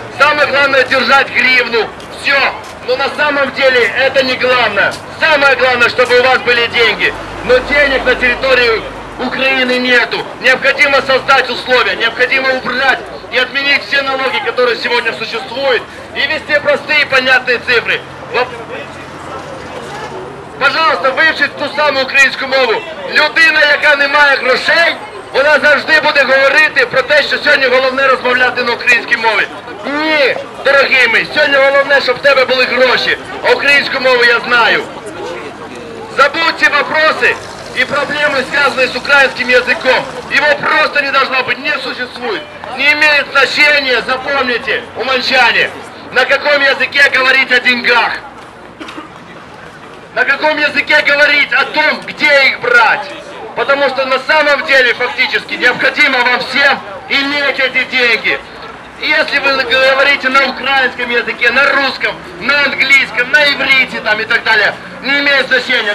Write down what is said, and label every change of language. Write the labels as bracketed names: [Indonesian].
[Russian] Самое главное – держать гривну. Все. Но на самом деле это не главное. Самое главное, чтобы у вас были деньги. Но денег на территории Украины нету. Необходимо создать условия, необходимо убрать и отменить все налоги, которые сегодня существуют, и ввести простые и понятные цифры. [Ukrainian] Пожалуйста, вивчіть ту саму українську мову. Людина, яка не має грошей, вона завжди буде говорити про те, що сьогодні головне розмовляти на українській мові. Ні, дорогі ми, сьогодні головне, щоб в тебе були гроші. А українську мову я знаю. Забудь ці вопроси і проблеми, зв'язані з українським язиком. Його просто не должно бути, не существует. Не має значення, запомніть, уманчане, на якому язикі говорити о деньгах. [Russian] На каком языке говорить о том, где их брать? Потому что на самом деле, фактически, необходимо вам всем иметь эти деньги. И если вы говорите на украинском языке, на русском, на английском, на иврите там и так далее, не имеет значения.